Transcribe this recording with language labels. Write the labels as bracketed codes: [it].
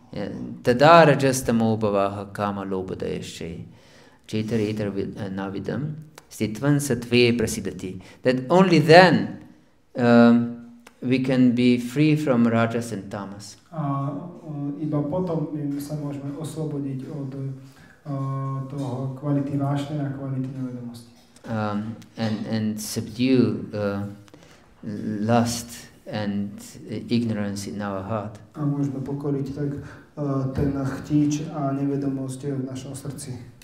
[sa] Yeah. Tada rajastamo bhavaha kama lobodayashe chetara itar navidam sitvan satve prasidati. [en] That only then we can be free from rajas and tamas. [sk] Iba potom my sa môžeme oslobodiť od toho kvality vášne a kvality nevedomosti. [en] And subdue lust and ignorance in our heart. [sk] A môžeme pokoriť tak ten chtíč a nevedomosť v našom srdci.